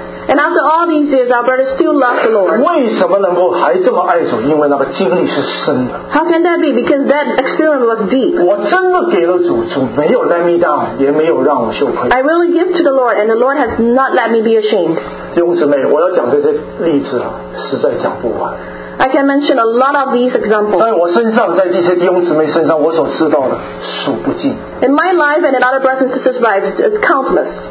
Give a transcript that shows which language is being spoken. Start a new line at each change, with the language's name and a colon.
English: And after all these years, our brother still loves the Lord.
Chinese: 为什么能够还这么爱主？因为那个经历是深的。
English: How can that be? Because that experience was deep.
Chinese: 我真的给了主，主没有
English: let me down，
Chinese: 也没有让我羞愧。
English: I really give to the Lord, and the Lord has not let me be ashamed.
Chinese: 弟兄姊妹，我要讲这些例子，实在讲不完。
English: I can mention a lot of these examples.
Chinese: 在我身上，在一些弟兄姊妹身上，我所知道的数不尽。
English: In my life and in other brothers and sisters' lives, it's countless.